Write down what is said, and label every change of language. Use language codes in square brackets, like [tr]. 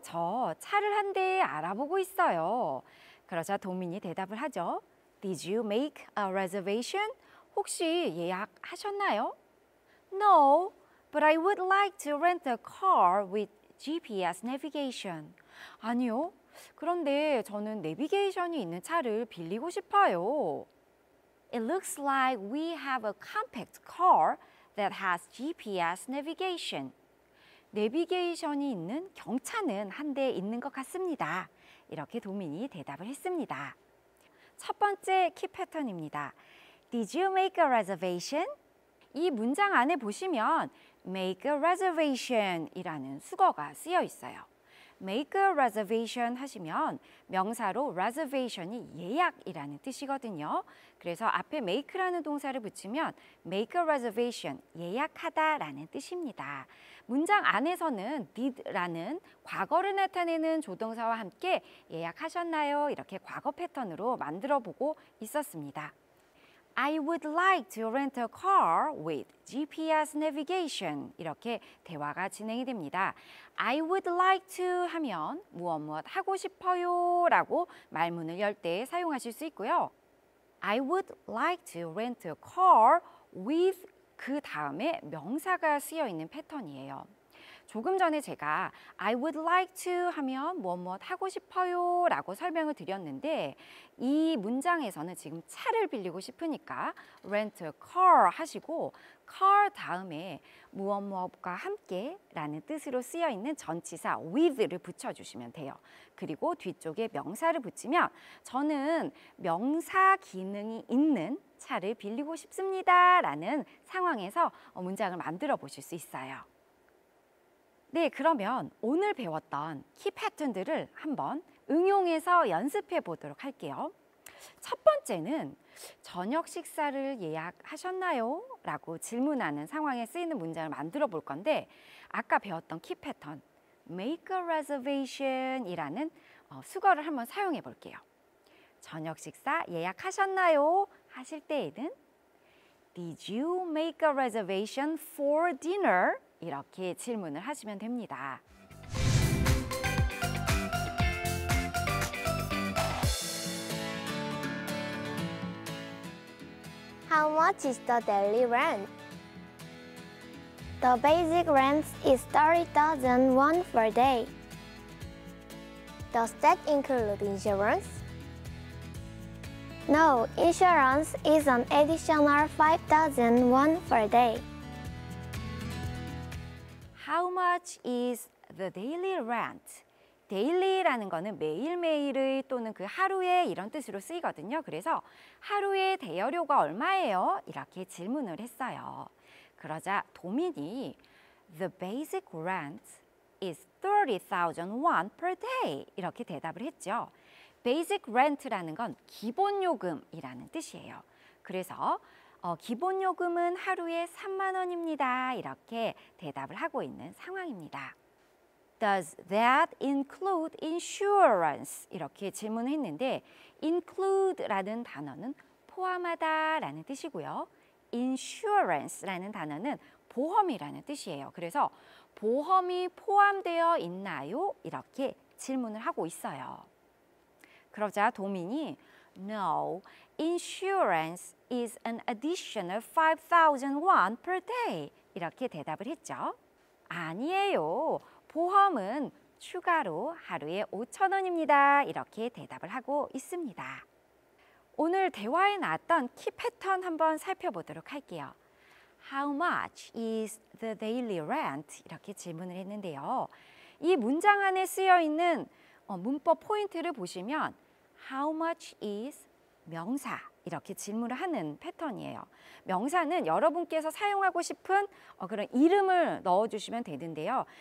[ko] 저 차를 한 대 알아보고 있어요. 그러자 도민이 대답을 하죠. [en] Did you make a reservation? [ko] 혹시 예약하셨나요? [en] No, but I would like to rent a car with GPS navigation. [ko] 아니요, 그런데 저는 내비게이션이 있는 차를 빌리고 싶어요. [en] It looks like we have a compact car that has GPS navigation. [ko] 내비게이션이 있는 경차는 한 대 있는 것 같습니다. 이렇게 도민이 대답을 했습니다. 첫 번째 키 패턴입니다. [en] Did you make a reservation? [ko] 이 문장 안에 보시면 [en] make a reservation [ko] 이라는 수거가 쓰여 있어요. [en] make a reservation [ko] 하시면 명사로 reservation이 예약이라는 뜻이거든요. 그래서 앞에 make라는 동사를 붙이면 [en] make a reservation, [ko] 예약하다 라는 뜻입니다. 문장 안에서는 did라는 과거를 나타내는 조동사와 함께 예약하셨나요? 이렇게 과거 패턴으로 만들어 보고 있었습니다. [en] I would like to rent a car with GPS navigation. [ko] 이렇게 대화가 진행이 됩니다. [en] I would like to [ko] 하면 무엇무엇 하고 싶어요 라고 말문을 열 때 사용하실 수 있고요. [en] I would like to rent a car with [ko] 그 다음에 명사가 쓰여 있는 패턴이에요. 조금 전에 제가 [en] I would like to [ko] 하면 무엇무엇 하고 싶어요 라고 설명을 드렸는데 이 문장에서는 지금 차를 빌리고 싶으니까 [en] rent a car [ko] 하시고 car 다음에 무엇무엇과 함께 라는 뜻으로 쓰여 있는 전치사 with를 붙여주시면 돼요. 그리고 뒤쪽에 명사를 붙이면 저는 명사 기능이 있는 차를 빌리고 싶습니다 라는 상황에서 문장을 만들어 보실 수 있어요. 네, 그러면 오늘 배웠던 키 패턴들을 한번 응용해서 연습해 보도록 할게요. 첫 번째는 저녁 식사를 예약하셨나요? 라고 질문하는 상황에 쓰이는 문장을 만들어 볼 건데 아까 배웠던 키 패턴, [en] make a reservation [ko] 이라는 수거를 한번 사용해 볼게요. 저녁 식사 예약하셨나요? 하실 때에는 [en] Did you make a reservation for dinner? [ko] 이렇게 질문을 하시면 됩니다. [en] How much is the daily rent? The basic rent is $30,000 per day. Does that include insurance? No, insurance is an additional $5,000 per day. How much is the daily rent? [ko] Daily라는 거는 매일매일의 또는 그 하루의 이런 뜻으로 쓰이거든요. 그래서 하루의 대여료가 얼마예요? 이렇게 질문을 했어요. 그러자 도민이 [en] The basic rent is $30,000 per day. [ko] 이렇게 대답을 했죠. Basic rent라는 건 기본요금이라는 뜻이에요. 그래서 기본요금은 하루에 3만 원입니다. 이렇게 대답을 하고 있는 상황입니다. Does that include insurance? 이렇게 질문을 했는데 include라는 단어는 포함하다라는 뜻이고요. insurance라는 단어는 보험이라는 뜻이에요. 그래서 보험이 포함되어 있나요? 이렇게 질문을 하고 있어요. 그러자 도민이 [en] No, insurance is an additional $5,000 per day. [ko] 이렇게 대답을 했죠. 아니에요. 보험은 추가로 하루에 5,000원입니다. 이렇게 대답을 하고 있습니다. 오늘 대화에 나왔던 키 패턴 한번 살펴보도록 할게요. [en] How much is the daily rent? [ko] 이렇게 질문을 했는데요. 이 문장 안에 쓰여 있는 문법 포인트를 보시면 How much is 명사? 이렇게 질문을 하는 패턴이에요. 명사는 여러분께서 사용하고 싶은 그런 이름을 넣어주시면 되는데요.